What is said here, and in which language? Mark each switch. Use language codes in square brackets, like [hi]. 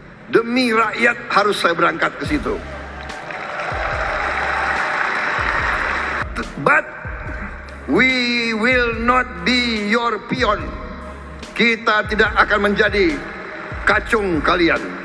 [id] demi rakyat harus saya berangkat ke situ. [en] But we will not be your pion. [id] Kita tidak akan menjadi kacung kalian.